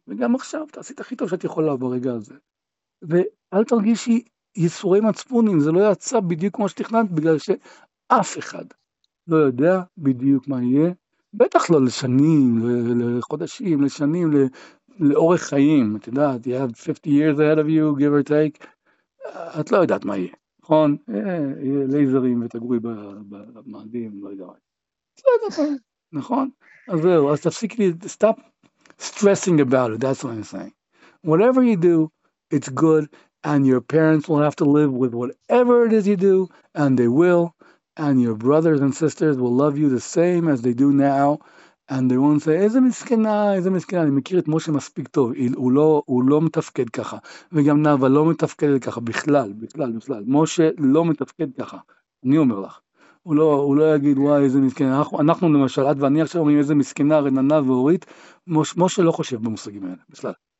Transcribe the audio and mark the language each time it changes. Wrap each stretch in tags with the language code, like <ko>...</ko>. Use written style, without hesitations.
<he>וגם עכשיו, את עשית הכי טוב שאת יכולה ברגע הזה. ואל תרגישי ייסורי מצפונים, זה לא יצא בדיוק כמו שתכננת, בגלל שאף אחד לא יודע בדיוק מה יהיה. בטח לא לשנים, לחודשים, לשנים, לאורך חיים. את יודעת,</he> <en>you have 50 years ahead of you, give or take.</en> <he>את לא יודעת מה יהיה. נכון, יהיה לייזרים ותגורי במאדים, לא יודע מה. נכון? אז זהו, אז תפסיק לי,</he> <en>stop stressing about it, that's what I'm saying. Whatever you do, it's good, and your parents will have to live with whatever it is you do, and they will, and your brothers and sisters will love you the same as they do now, and they won't say,</en> <he>איזה מסכנה, איזה מסכנה, אני מכיר את משה מספיק טוב, הוא לא מתפקד ככה, וגם נאווה לא מתפקד ככה, בכלל, משה לא מתפקד ככה, אני אומר לך, הוא לא יגיד, וואי, איזה מסכנה, אנחנו למשל, את ואני עכשיו אומרים, איזה מסכנה, רננה ואורית, משה לא חושב במושגים האלה, בכלל.</he>